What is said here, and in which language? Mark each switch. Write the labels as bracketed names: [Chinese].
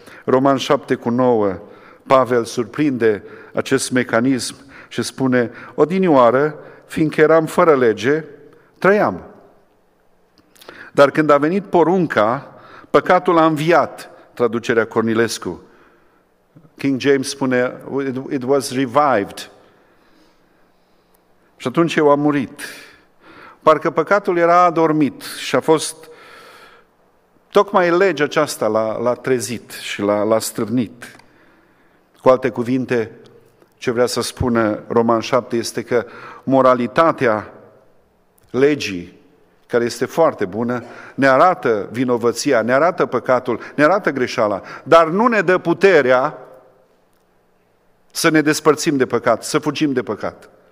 [Romanian] Roman 7:9, Pavel surprinde acest mecanism și spune: odinioară, fiindcă eram fără lege, trăiam. Dar când a venit porunca, păcatul a înviat, traducerea Cornilescu. [English] King James spune, it was revived. [Romanian] Și atunci eu am murit. Parcă păcatul era adormit și a fost, tocmai legea aceasta l-a trezit și l-a strânit. Cu alte cuvinte, ce vrea să spună Roman 7 este că moralitatea legii, care este foarte bună, ne arată vinovăția, ne arată păcatul, ne arată greșeala, dar nu ne dă puterea să ne despărțim de păcat, să fugim de păcat.